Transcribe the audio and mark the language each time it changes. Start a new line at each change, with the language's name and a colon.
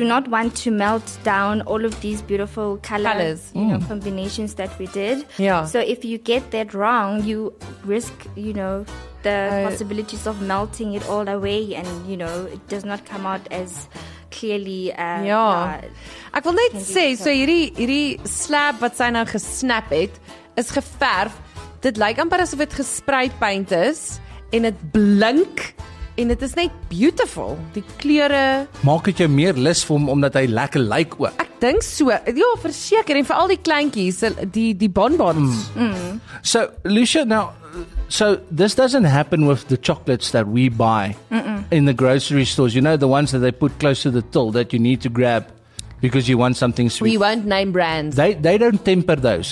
English: Do not want to melt down all of these beautiful colors combinations that we did. Yeah. So if you get that wrong, you risk, you know, the possibilities of melting it all away and, you know, it does not come out as clearly.
Afrikaans: Ek wil net sê, so hierdie slab wat sy nou gesnap het, is geverf. Dit lyk amper asof dit gespray paint is en dit blink en dit is net beautiful. Die kleure maak dit jou meer lus vir hom omdat hy lekker lyk ook. Ek dink so. Ja, verseker en vir al die kleintjies, die bonbons. Mm. Mm.
English: So, Lucia, now so this doesn't happen with the chocolates that we buy in the grocery stores. You know, the ones that they put close to the till that you need to grab because you want something sweet. We won't name brands. They don't temper those.